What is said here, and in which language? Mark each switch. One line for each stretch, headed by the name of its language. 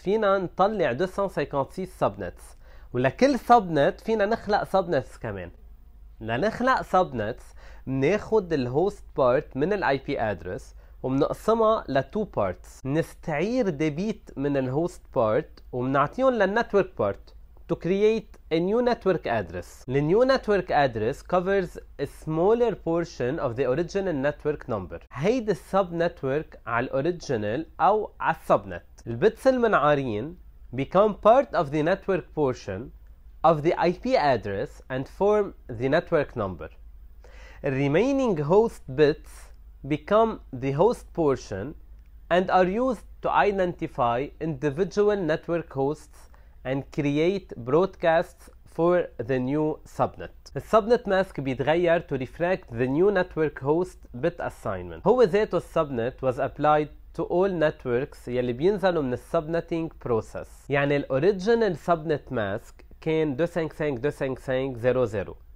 Arabic: فينا نطلع 256 سبنتس, ولكل سبنت فينا نخلق سبنتس كمان. لنخلق سبنتس بناخد الهوست بارت من الاي بي ادرس وبنقسمها لتو بارتس. نستعير ديبيت من الهوست بارت وبنعطيهم للنتورك بارت
English: to create a new network address. The new network address covers a smaller portion of the original network number.
Arabic: هيدا subnetwork على original أو على subnet. البتس المنعارين
English: become part of the network portion of the IP address and form the network number. Remaining host bits become the host portion and are used to identify individual network hosts and create broadcasts for the new subnet. The subnet mask
Arabic: بيتغير
English: to reflect the new network host bit assignment.
Arabic: هو ذاته السبنت
English: was applied to all networks
Arabic: يلي بينزلوا من السبنتينج بروسس. يعني الاوريجينال سبنت ماسك كان 255.255.0.0.